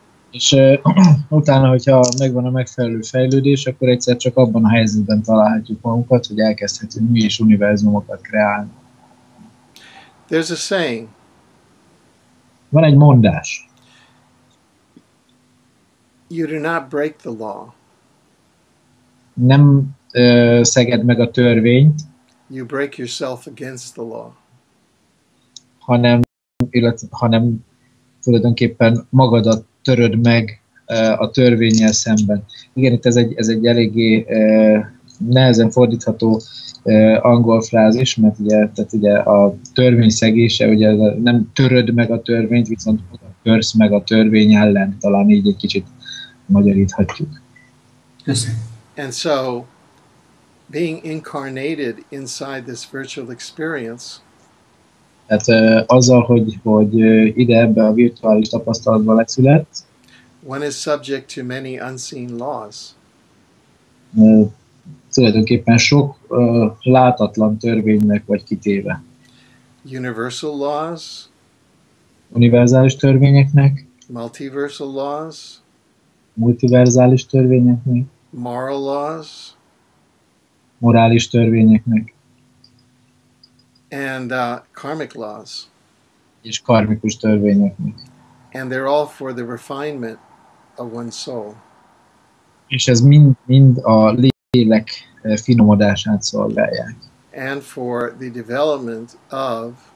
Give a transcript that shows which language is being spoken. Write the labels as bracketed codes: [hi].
[hu] És utána, hogyha megvan a megfelelő fejlődés, akkor egyszer csak abban a helyzetben találhatjuk magunkat, hogy elkezdhetünk mi is univerzumokat kreálni. [en] There's a saying. [hu] Van egy mondás. [en] You do not break the law. [hu] Nem szeged meg a törvényt. [en] You break yourself against the law. [hu] Hanem tulajdonképpen magadat töröd meg a törvénnyel szemben. Igen, itt ez egy eléggé nehezen fordítható angol frázis, mert ugye a törvény szegése, ugye nem töröd meg a törvényt, viszont törsz meg a törvény ellen, talán így egy kicsit magyaríthatjuk. Köszönöm. [en] And so, being incarnated inside this virtual experience, [hu] tehát azzal, hogy ide ebbe a virtuális tapasztalatba leszület, [en] one is subject to many unseen laws. [hu] Tulajdonképpen sok látatlan törvénynek vagy kitéve. [en] Universal laws. [hu] Univerzális törvényeknek. [en] Multiversal laws. [hu] Multiverzális törvényeknek. [en] Moral laws. [hu] Morális törvényeknek. [en] And karmic laws. [hu] És karmikus törvényeknek. [en] And they're all for the refinement of one soul. [hu] És ez mind a lélek finomodását szolgálják. [en] And for the development of,